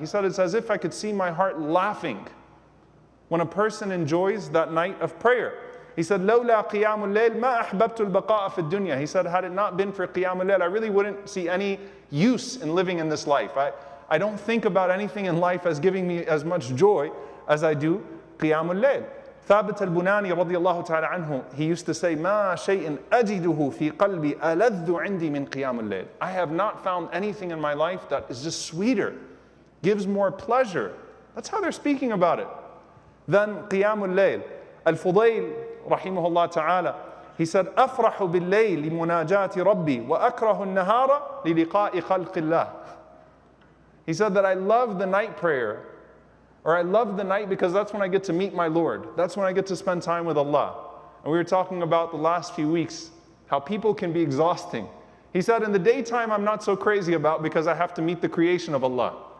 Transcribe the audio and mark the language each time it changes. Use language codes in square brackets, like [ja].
[en] He said, it's as if I could see my heart laughing when a person enjoys that night of prayer. He said, [ar] لَوْلَا قِيَامُ اللَّيْلِ مَا أَحْبَبْتُ الْبَقَاءَ فِي الدُّنْيَا. [en] He said, had it not been for قِيَامُ اللَّيْلِ, I really wouldn't see any use in living in this life. I don't think about anything in life as giving me as much joy as I do قِيَامُ اللَّيْلِ. [ar] ثابت البناني رضي الله تعالى عنه, [en] he used to say, [ar] ما شيء أجده في قلبي ألذ عندي من قيام الليل. [en] I have not found anything in my life that is just sweeter, gives more pleasure. That's how they're speaking about it. Then قيام الليل. [ar] الفضيل رحمه الله تعالى, [en] he said, [ar] أفرح بالليل لمناجاة ربي وأكره النهار للقاء خلق الله. [en] He said that I love the night prayer, or I love the night because that's when I get to meet my Lord. That's when I get to spend time with Allah. And we were talking about the last few weeks, how people can be exhausting. He said, in the daytime I'm not so crazy about because I have to meet the creation of Allah.